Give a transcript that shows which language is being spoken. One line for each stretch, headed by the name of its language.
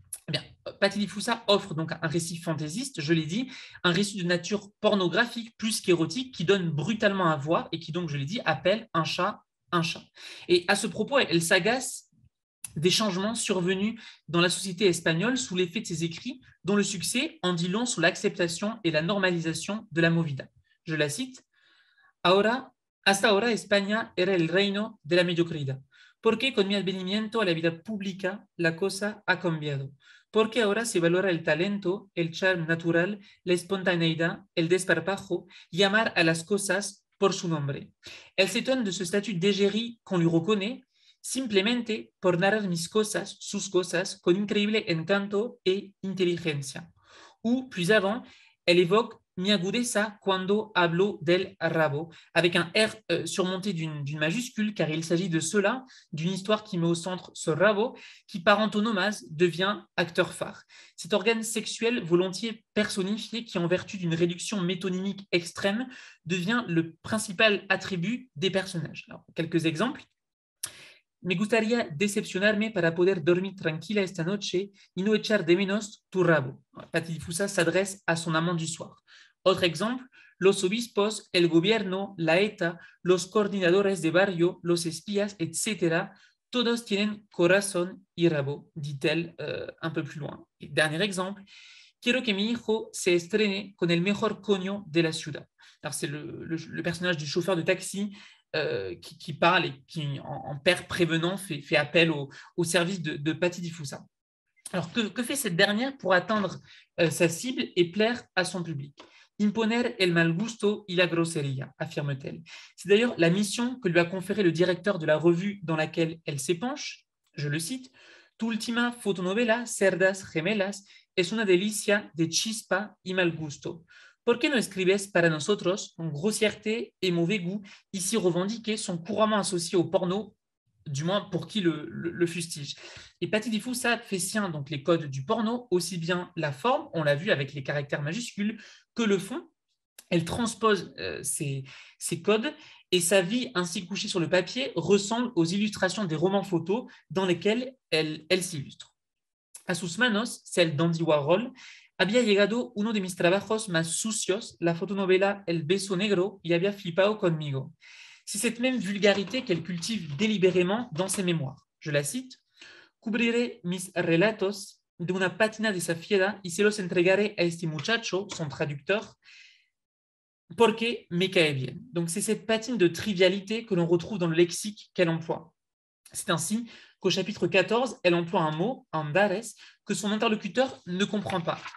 French: Eh bien, Patty Difusa offre donc un récit fantaisiste, je l'ai dit, un récit de nature pornographique plus qu'érotique qui donne brutalement à voir et qui donc, je l'ai dit, appelle un chat un chat. Et à ce propos, elle s'agace des changements survenus dans la société espagnole sous l'effet de ses écrits, dont le succès en dit long sur l'acceptation et la normalisation de la movida. Je la cite.
Spanish: Ahora, hasta ahora España era el reino de la mediocridad. ¿Por qué con mi advenimiento a la vida pública la cosa ha cambiado? ¿Por qué ahora se valora el talento, el charme natural, la espontaneidad, el desparpajo, llamar a las cosas por su nombre?
French: Elle s'étonne de ce statut d'égérie qu'on lui reconnaît,
Spanish: simplemente por narrar mis cosas, sus cosas, con increíble encanto e inteligencia.
French: Ou, plus avant, elle évoque
Spanish: mi agudeza cuando hablo del rabo,
French: avec un R surmonté d'une majuscule, car il s'agit de cela, d'une histoire qui met au centre ce rabo, qui par antonomase devient acteur phare. Cet organe sexuel volontiers personnifié, qui en vertu d'une réduction métonymique extrême, devient le principal attribut des personnages. Alors, quelques exemples.
Spanish: Me gustaría decepcionarme para poder dormir tranquila esta noche y no echar de menos tu rabo.
French: Patty Difusa s'adresse à son amant du soir. Autre exemple,
Spanish: los obispos, el gobierno, la ETA, los coordinadores de barrio, los espías, etc. Todos tienen corazón y rabo,
French: dit-elle un peu plus loin. Et dernier exemple,
Spanish: quiero que mi hijo se estrene con el mejor coño de la ciudad.
French: Alors, c'est le personnage du chauffeur de taxi qui parle et qui, en père prévenant, fait appel au service de Patty Difusa. Alors, que fait cette dernière pour atteindre sa cible et plaire à son public?
Spanish: Imponer el mal gusto y la grosería,
French: affirme-t-elle. C'est d'ailleurs la mission que lui a conférée le directeur de la revue dans laquelle elle s'épanche. Je le cite,
Spanish: Tultima fotonovela, cerdas gemelas, es una delicia de chispa y mal gusto. ¿Por qué no escribes para nosotros?
French: Donc, grossièreté et mauvais goût, ici revendiqués, sont couramment associés au porno, du moins pour qui le fustige. Et Patty Difusa fait sien donc les codes du porno, aussi bien la forme, on l'a vu avec les caractères majuscules, que le fond. Elle transpose ces codes et sa vie ainsi couchée sur le papier ressemble aux illustrations des romans photos dans lesquels elle s'illustre.
Spanish: A sus manos,
French: celle d'Andy Warhol,
Spanish: había llegado uno de mis trabajos más sucios, la fotonovela El beso negro, y había flipado conmigo.
French: C'est cette même vulgarité qu'elle cultive délibérément dans ses mémoires. Je la cite.
Spanish: Cubriré mis relatos de una patina desafiada y se los entregaré a este muchacho,
French: son traducteur,
Spanish: porque me cae bien.
French: Donc c'est cette patine de trivialité que l'on retrouve dans le lexique qu'elle emploie. C'est ainsi qu'au chapitre 14, elle emploie un mot, andares, que son interlocuteur ne comprend pas.